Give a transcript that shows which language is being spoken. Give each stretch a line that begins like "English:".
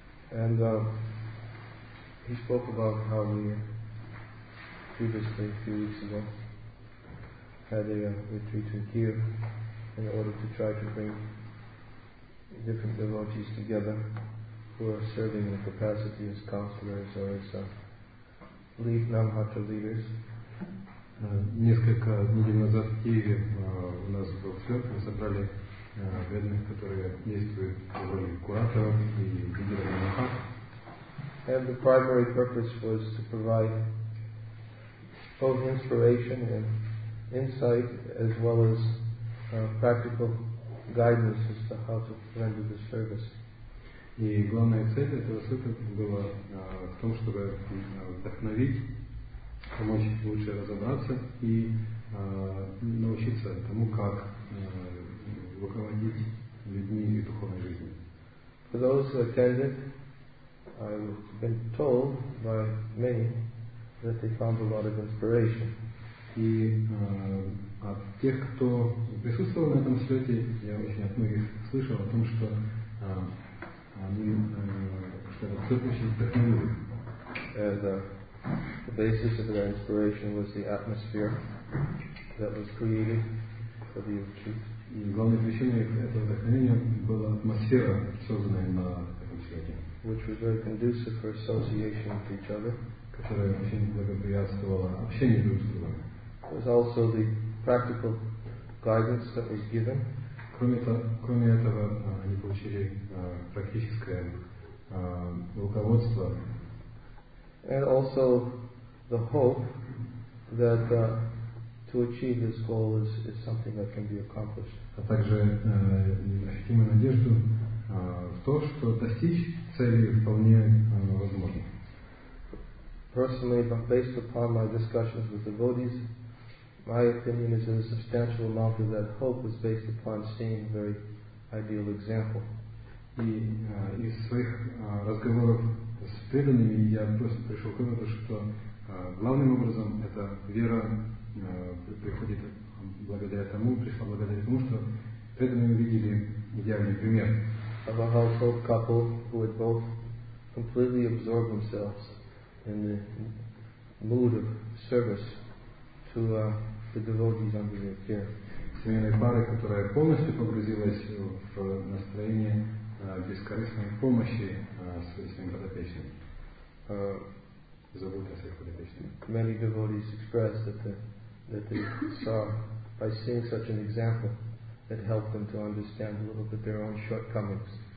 English: And he spoke about how we previously, a few weeks ago, had a retreat to Kiev in order to try to bring different devotees together who are serving in the capacity as counselors or as lead Namhata leaders.
Russian: Несколько недель назад в Киеве у нас был сёрф, мы собрали бедных, которые действуют в роли кураторов и лидеров Намхат.
English: And the primary purpose was to provide both inspiration and insight as well as practical guidance as to how to render the service.
Russian: И главная цель этого сутры была в том, чтобы вдохновить, помочь лучше разобраться и научиться тому, как руководить людьми и духовной жизнью.
English: For those who attended, I've been told by many that they found a lot of inspiration.
Russian: И от тех, кто присутствовал на этом слете, я очень от многих слышал о том, что они что этот слет очень вдохновил.
English: The basis of their inspiration was the atmosphere that was created for the retreat.
Russian: И главной причиной этого вдохновения была атмосфера, созданная на этом слете,
English: which was very conducive for association with each other,
Russian: которая очень благоприятствовала общению друг с другом.
English: Was also the practical guidance that was given.
Russian: Кроме этого, они получили практическое руководство.
English: And also the hope that to achieve this goal is something that can be accomplished.
Russian: А также ощутимую надежду в то, что достичь цели вполне возможно.
English: Personally, based upon my discussions with devotees, my opinion is that a substantial amount of that hope was based upon seeing a very ideal example.
Russian: И из своих разговоров с преданными я просто пришел к выводу, что главным образом эта вера приходит благодаря тому, что преданные увидели идеальный пример.
English: Of a household couple who had both completely absorbed themselves in the mood of service to the devotees under their care.
Russian: Семейной пары, которая полностью погрузилась в настроение бескорыстной помощи своим подопечным, заботы о своих подопечных.
English: Many devotees expressed that they saw by seeing such an example that helped them to understand a little bit their own shortcomings.